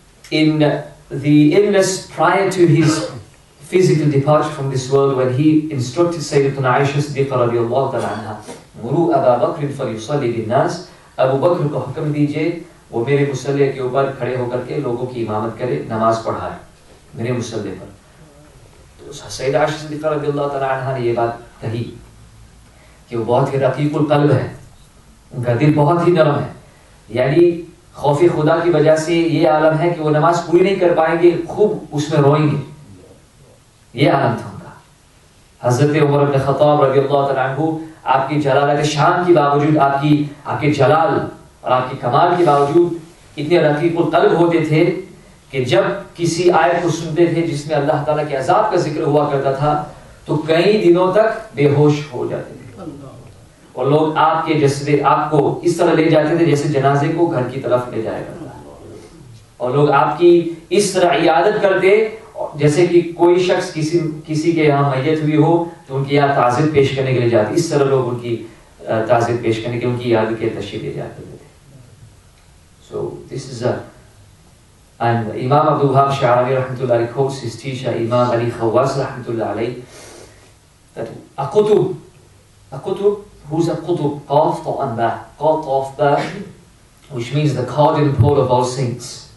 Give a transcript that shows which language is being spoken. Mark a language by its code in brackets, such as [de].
[en] in the illness prior to his physical departure from this world, when he instructed Sayyidina Aisha Siddiqa radiallahu anha, [ar] "Muru Abu Bakr falyusalli bin nas," [ur] Abu Bakr ko hukam dijiye, وہ میرے مصلی کے اوپر کھڑے ہو کر کے لوگوں کی امامت کرے, نماز پڑھائے میرے مصلی پر. تو سیدہ عائشہ صدیقہ رضی اللہ تعالی عنہ نے یہ بات کہی کہ وہ بہت ہی رقیق القلب ہے, ان کا دل بہت ہی نرم ہے, یعنی خوف خدا کی وجہ سے یہ عالم ہے کہ وہ نماز پوری نہیں کر پائیں گے, خوب اس میں روئیں گے, یہ عالم تھا ان کا. حضرت عمر بن خطاب رضی اللہ تعالی عنہ آپ کی جلال کے شان کے باوجود آپ کے جلال اور آپ کی کمال کے باوجود اتنے رقیق القلب ہوتے تھے کہ جب کسی آیت کو سنتے تھے جس میں اللہ تعالیٰ کے عذاب کا ذکر ہوا کرتا تھا تو کئی دنوں تک بے ہوش ہو جاتے تھے اور لوگ آپ کے جسد آپ کو اس طرح لے جاتے تھے جیسے جنازے کو گھر کی طرف لے جایا کرتا اور لوگ آپ کی اس طرح عیادت کرتے جیسے کہ کوئی شخص کسی کے یہاں میت ہوئی ہو تو ان کی یاد تعزیت پیش کرنے کے لیے جاتے اس طرح لوگ ان کی تعزیت پیش کرنے کے ان کی یاد کے تشریف لے جاتے تھے. [en] so this is imam Abdul Wahhab Sharani رحمۃ اللہ علیہ quotes his teacher imam Ali Khawas رحمۃ اللہ علیہ اقطب who's a qutb qaf ta an ba qaf ta an ba which means the cardinal pole of all saints